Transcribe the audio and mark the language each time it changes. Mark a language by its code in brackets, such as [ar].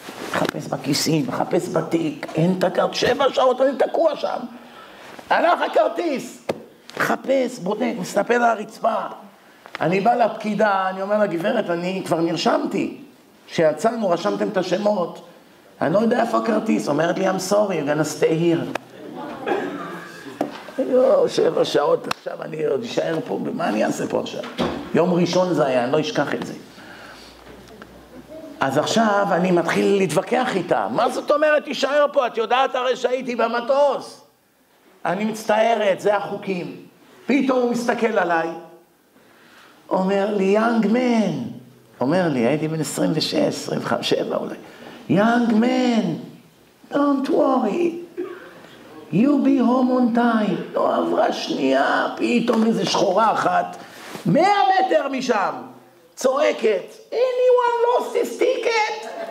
[he] מחפש בכיסים, מחפש בתיק, אין את הכרטיס. 7 שעות, אני תקוע שם. הלך הכרטיס. מחפש, בודק, מסתפל על הרצפה. אני בא לפקידה, אני אומר לגברת, אני כבר נרשמתי. שיצאנו, רשמתם את השמות. אני לא יודע איפה הכרטיס. [en] אומרת לי, I'm sorry, you're gonna stay here. [he] יו, 7 שעות, עכשיו אני עוד אשאר פה. מה אני אעשה פה עכשיו? יום ראשון זה היה, אני לא אשכח את זה. אז עכשיו אני מתחיל להתווכח איתה. מה זאת אומרת, תישאר פה, את יודעת הרי שהייתי במטוס. אני מצטערת, זה החוקים. פתאום הוא מסתכל עליי, אומר לי, יאנג מן. אומר לי, הייתי בן 26, 25, 27 אולי. יאנג מן, don't worry. You'll be home on time. לא עברה שנייה, פתאום איזה שחורה אחת, 100 מטר משם. [en] צועקת, anyone lost his ticket?